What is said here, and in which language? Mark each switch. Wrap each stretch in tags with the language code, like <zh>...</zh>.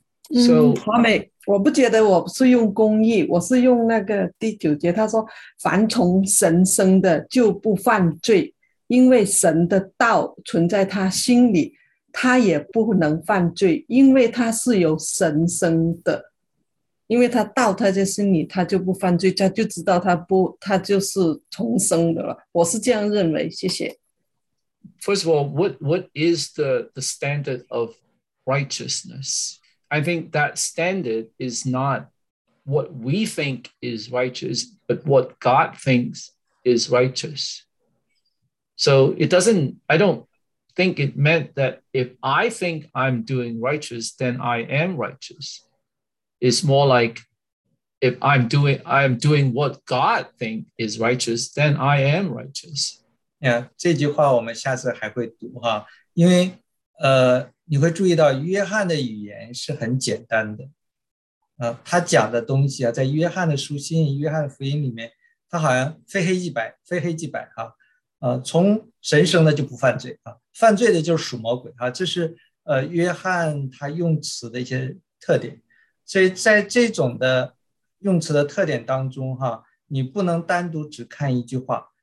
<zh>Tommy， 我不觉得我是用公义，我是用那个第九节，他说凡从神生的就不犯罪，因为神的道存在他心里，他也不能犯罪，因为他是由神生的，因为他道他在心里，他就不犯罪，他就知道他就是从生的了，我是这样认为，谢谢。</zh> <en>First of all, what is the standard of righteousness? I think that standard is not what we think is righteous, but what God thinks is righteous. So I don't think it meant that if I think I'm doing righteous, then I am righteous. It's more like if I'm doing what God thinks is righteous, then I am righteous. Yeah,</en> <zh>这句话我们下次还会读哈，因为你会注意到约翰的语言是很简单的，他讲的东西啊，在约翰的书信、约翰福音里面，他好像非黑即白，非黑即白哈，从神生的就不犯罪啊，犯罪的就是属魔鬼啊，这是约翰他用词的一些特点，所以在这种的用词的特点当中哈，你不能单独只看一句话。</zh>